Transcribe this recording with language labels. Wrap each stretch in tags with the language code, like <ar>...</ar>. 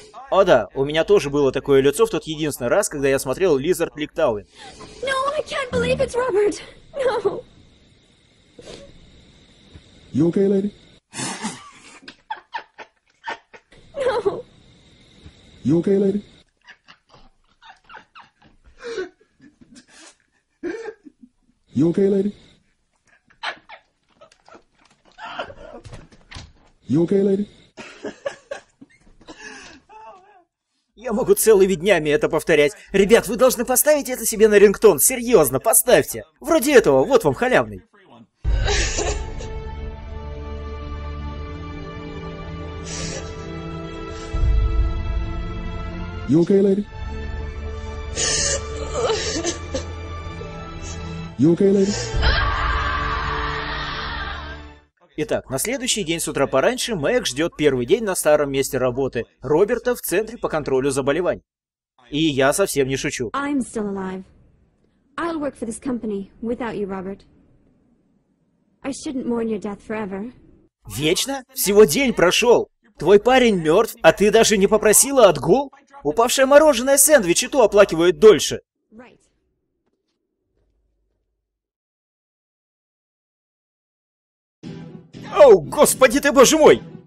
<ru>О да, у меня тоже было такое лицо в тот единственный раз, когда я смотрел Lizard Lake Town.</ru> <en>No, I can't believe it's Robert. No. You okay, lady? No. You okay, lady? You okay, lady? You okay, lady?</en> <ru>Я могу целыми днями это повторять. Ребят, вы должны поставить это себе на рингтон. Серьезно, поставьте. Вроде этого, вот вам халявный.</ru> <en>You okay, lady? You okay, lady?</en> <ru>Итак, на следующий день с утра пораньше Мэг ждет первый день на старом месте работы Роберта в центре по контролю заболеваний. И я совсем не шучу.</ru> <en>I'm still alive. I'll work for this company without you, Robert. I shouldn't mourn your death forever.</en> <ru>Вечно? Всего день прошел. Твой парень мертв, а ты даже не попросила отгул? Упавшее мороженое сэндвич и то оплакивает дольше. Оу, господи ты, боже мой!</ru>